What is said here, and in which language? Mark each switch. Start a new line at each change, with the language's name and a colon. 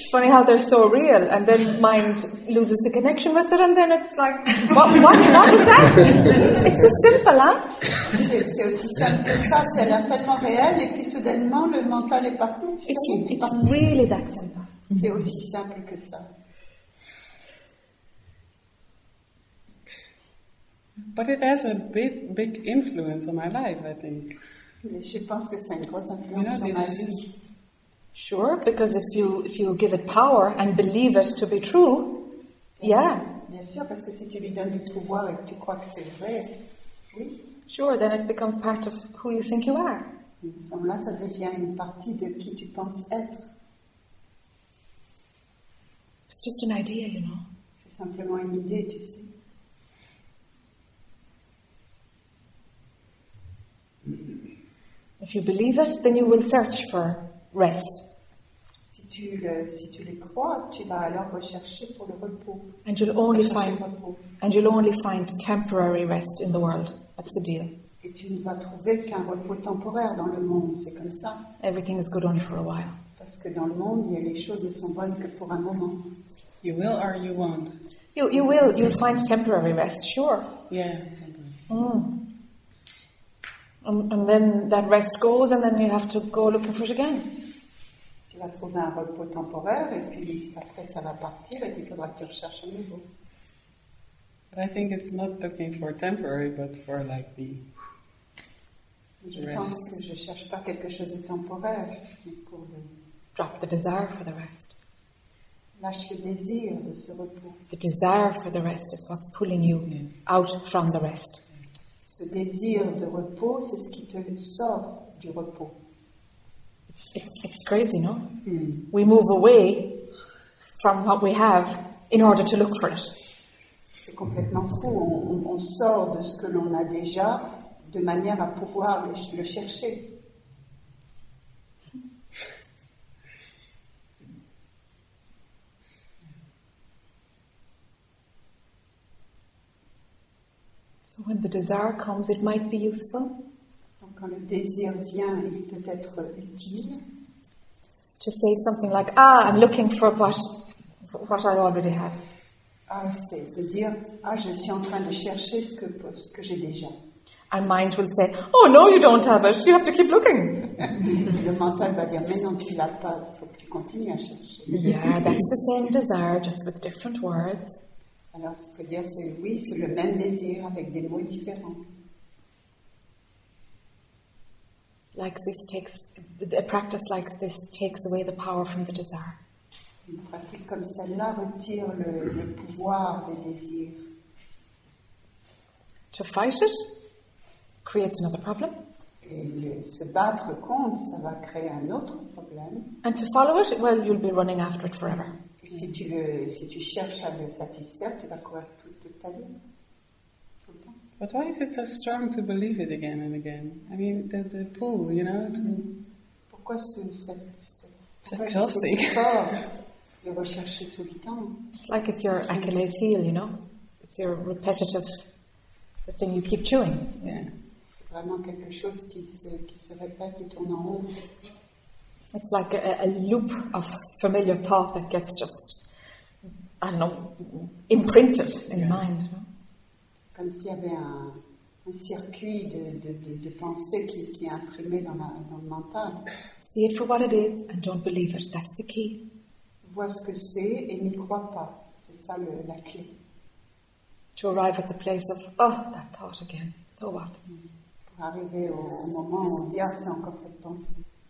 English: Funny how they're so real, and then mind loses the connection with it, and then it's like, what was that? It's so simple, hein?
French: C'est aussi simple que ça. C'est l'air tellement réel, et puis soudainement le mental est parti.
English: It's really that simple.
French: C'est aussi simple que ça.
English: But it has a big influence on my life, I think.
French: Je pense que c'est une grosse influence sur ma vie.
English: Sure, because if you give it power and believe it to be true, yeah.
French: Bien sûr, parce que si tu lui donnes du pouvoir et que tu crois que c'est vrai, oui.
English: Sure, then it becomes part of who you think you are.
French: Donc là, ça devient une partie de qui tu penses être.
English: It's just an idea, you know.
French: C'est simplement une idée, tu sais.
English: If you believe it, then you will search for rest.
French: Si tu le crois, tu vas alors rechercher pour le repos.
English: And you'll only find temporary rest in the world. That's the deal.
French: Et tu ne vas trouver qu'un repos temporaire dans le monde. C'est comme ça.
English: Everything is good only for a while.
French: Parce que dans le monde, il y a les choses ne sont bonnes que pour un moment.
English: You will or you won't. You will. You'll find temporary rest. Sure. Yeah, temporary. And then that rest goes, and then you have to go looking for it again.
French: Tu vas trouver un repos temporaire, et puis après ça va partir, et tu faudras que tu recherches à nouveau.
English: But I think it's not looking for temporary, but for like the
French: rest. Je pense que je cherche pas quelque chose de temporaire, mais pour le...
English: Drop the desire for the rest.
French: Lâche le désir de ce repos.
English: The desire for the rest is what's pulling you out from the rest.
French: Ce désir de repos, c'est ce qui te sort du repos.
English: It's crazy, no? We move away from what we have in order to look for it.
French: C'est complètement fou. On sort de ce que l'on a déjà de manière à pouvoir le chercher.
English: So when the desire comes, it might be useful.
French: Donc quand le désir vient, il peut être utile.
English: To say something like, "Ah, I'm looking for what I already have."
French: Ah, c'est de dire, ah, je suis en train de chercher ce que j'ai déjà.
English: Our mind will say, "Oh no, you don't have it. You have to keep looking."
French: Le mental va dire, mais non, tu l'as pas. Il faut que tu continues à chercher.
English: Yeah, that's the same desire, just with different words.
French: Alors, ce que je veux dire, c'est oui, c'est le même désir avec des mots différents.
English: Like this takes, a practice like this takes away the power from the desire.
French: Une pratique comme celle-là retire le pouvoir des désirs.
English: To fight it creates another problem.
French: Et se battre contre, ça va créer un autre problème.
English: And to follow it, well, you'll be running after it forever.
French: Si tu cherches à le satisfaire, tu vas courir toute ta vie.
English: But why is it so strong to believe it again and again? I mean, the pull, you know, to...
French: Pourquoi c'est fort de rechercher tout le temps?
English: It's like it's your Achilles heel, you know? It's your repetitive, the thing you keep chewing. Yeah.
French: C'est vraiment quelque chose qui se répète, qui tourne en rond.
English: It's like a loop of familiar thought that gets just, I don't know, imprinted in your mind.
French: Comme s'il y avait un circuit de pensée qui est imprimé dans le mental.
English: See it for what it is and don't believe it. That's the key.
French: Vois ce que c'est et n'y crois pas. C'est ça la clé.
English: To arrive at the place of, oh, that thought again. So what?
French: Pour arriver au moment où on dit, ah, c'est encore cette pensée.